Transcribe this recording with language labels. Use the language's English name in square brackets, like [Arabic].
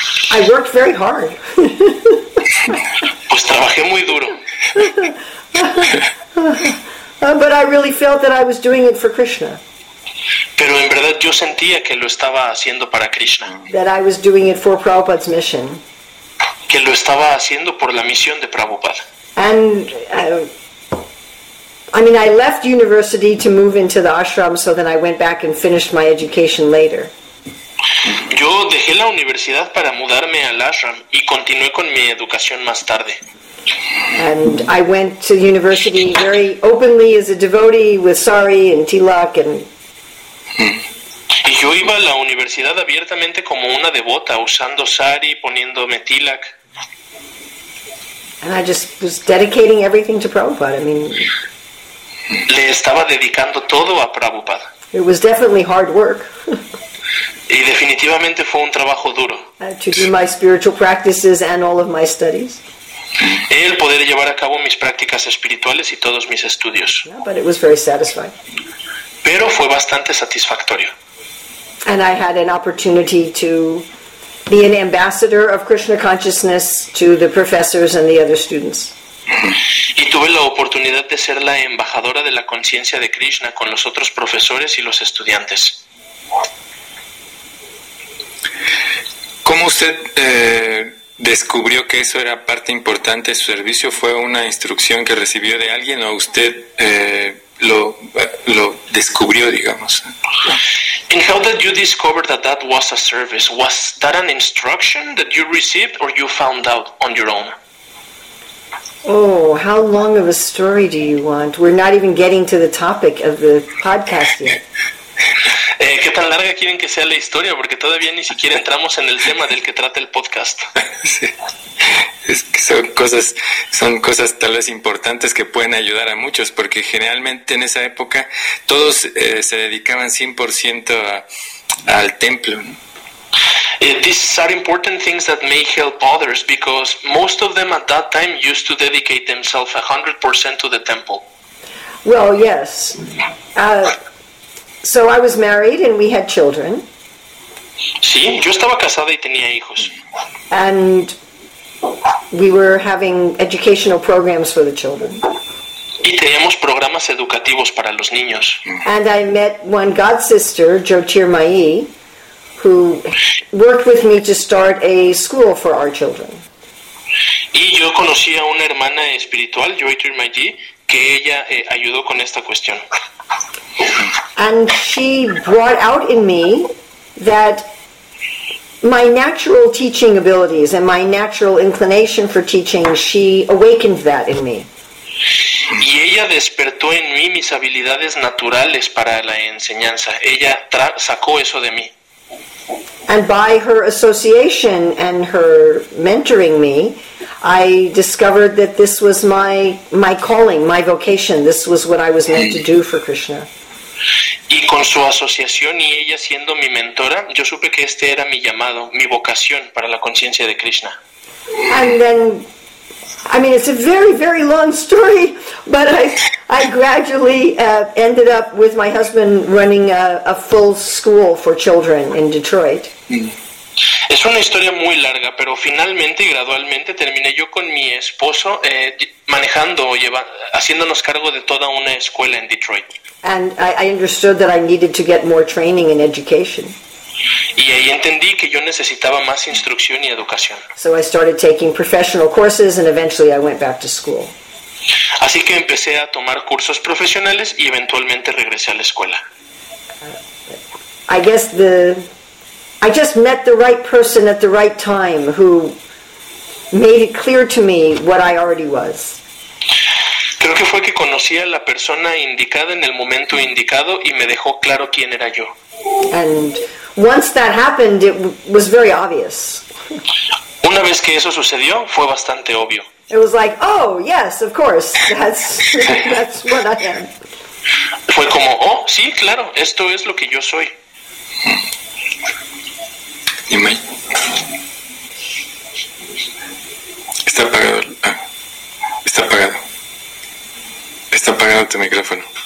[English] I worked very hard. [Spanish] Pues trabajé muy duro. [English] But I really felt that I was doing it for Krishna. [Spanish] Pero en verdad yo sentía que lo estaba haciendo para Krishna. [English] That I was doing it for Prabhupada's mission. [Spanish] Que lo estaba haciendo por la misión de Prabhupada. [English] And I left university to move into the ashram, so then I went back and finished my education later. [Spanish] Yo dejé la universidad para mudarme al ashram y continué con mi educación más tarde. [English] And I went to university very openly as a devotee with Sari and Tilak and. [Spanish] Y yo iba a la universidad abiertamente como una devota, usando Sari, poniéndome Tilak. [English] And I just was dedicating everything to Prabhupada. I mean, [Spanish] le estaba dedicando todo a Prabhupada. [English] It was definitely hard work. [Spanish] Y definitivamente fue un trabajo duro. [English] To do my spiritual practices and all of my studies. [Spanish] El poder llevar a cabo mis prácticas espirituales y todos mis estudios. [English] Yeah, but it was very satisfying. [Spanish] Pero fue bastante satisfactorio. [English] And I had an opportunity to be an ambassador of Krishna consciousness to the professors and the other students. [Spanish] Y tuve la oportunidad de ser la embajadora de la conciencia de Krishna con los otros profesores y los estudiantes. ¿Cómo usted descubrió que eso era parte importante de su servicio? ¿Fue una instrucción que recibió de alguien o usted lo descubrió, digamos? [English] And how did you discover that that was a service? Was that an instruction that you received or you found out on your own? Oh, how long of a story do you want? We're not even getting to the topic of the podcast yet. [Spanish] ¿Qué tan larga quieren que sea la historia? Porque todavía ni siquiera entramos en el tema del que trata el podcast. Sí. Es que son cosas tal vez importantes que pueden ayudar a muchos, porque generalmente en esa época todos se dedicaban 100% al templo. [English] These are important things that may help others, because most of them at that time used to dedicate themselves 100% to the temple. Well, yes. So I was married and we had children. [Spanish] Sí, yo estaba casada y tenía hijos. [English] And we were having educational programs for the children. [Spanish] Y teníamos programas educativos para los niños. [English] And I met one god sister, Jyotirmayi, who worked with me to start a school for our children. [Spanish] Y yo conocí a una hermana espiritual, Jyotirmayi, que ella ayudó con esta cuestión. [English] And she brought out in me that my natural teaching abilities and my natural inclination for teaching, she awakened that in me. [Spanish] Y ella despertó en mí mis habilidades naturales para la enseñanza. Ella sacó eso de mí. [English] And by her association and her mentoring me, I discovered that this was my calling, my vocation. This was what I was meant to do for Krishna. [Spanish] Y con su asociación y ella siendo mi mentora, yo supe que este era mi llamado, mi vocación para la conciencia de Krishna. [English] And then I mean, it's a very, very long story, but I gradually ended up with my husband running a full school for children in Detroit. [Spanish] Es una historia muy larga, pero finalmente y gradualmente terminé yo con mi esposo manejando o haciéndonos cargo de toda una escuela en Detroit. [English] And I understood that I needed to get more training and education. [Spanish] Y ahí entendí que yo necesitaba más instrucción y educación. [English] So I started taking professional courses and eventually I went back to school. [Spanish] Así que empecé a tomar cursos profesionales y eventualmente regresé a la escuela. [English] I just met the right person at the right time who made it clear to me what I already was. [Spanish] Creo que fue que conocí a la persona indicada en el momento indicado y me dejó claro quién era yo. [English] And once that happened, it was very obvious. [Spanish] Una vez que eso sucedió, fue bastante obvio. [English] It was like, oh, yes, of course, that's what I am. [Spanish] Fue como, oh, sí, claro, esto es lo que yo soy. Dime. Está apagado. Está apagado. Está apagado tu micrófono.